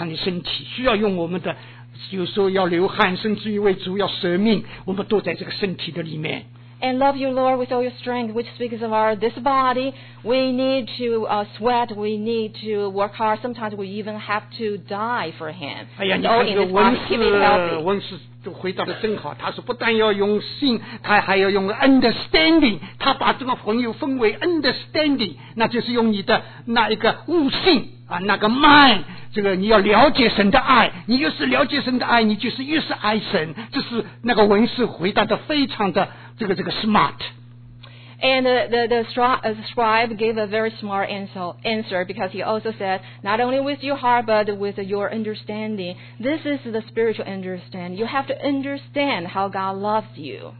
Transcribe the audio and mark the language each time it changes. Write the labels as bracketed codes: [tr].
[zh] 然后他就用你的这个尽你的力，力就是指着我们的身体。我们服侍主需要有一个健康的身体，需要用我们的。有时候要流汗，甚至于为主要舍命，我们都在这个身体的里面。 [en] And love your Lord with all your strength, which speaks of our this body. We need to sweat. We need to work hard. Sometimes we even have to die for Him. [zh] 哎呀，你看这个文士，文士回答的真好。他说，不但要用心，他还要用understanding。他把这个朋友分为 understanding，那就是用你的那一个悟性。那个 mind， 这个你要了解神的爱，你越是了解神的爱，你就是越是爱神。这是那个文士回答的非常的这个 smart。 [en] And the scribe gave a very smart answer because he also said, not only with your heart, but with your understanding. This is the spiritual understanding. You have to understand how God loves you.